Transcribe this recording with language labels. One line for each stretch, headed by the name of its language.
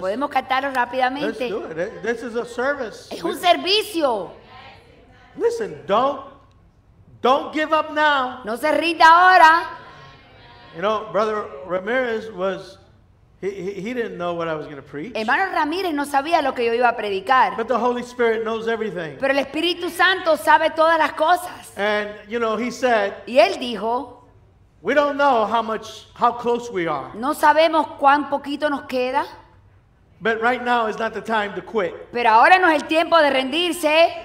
Spanish: podemos cantarlo rápidamente.
English: Let's do it. This is a service.
Spanish: Es un servicio.
English: Listen, don't give up now.
Spanish: No se rinda ahora.
English: You know, Brother Ramirez was... He didn't know what I was going to preach.
Spanish: Hermano Ramírez no sabía lo que yo iba a predicar.
English: But the Holy Spirit knows everything.
Spanish: Pero el Espíritu Santo sabe todas las cosas.
English: And you know, he said.
Spanish: Y él dijo.
English: We don't know how close we are.
Spanish: No sabemos cuán poquito nos queda.
English: But right now is not the time to quit.
Spanish: Pero ahora no es el tiempo de rendirse.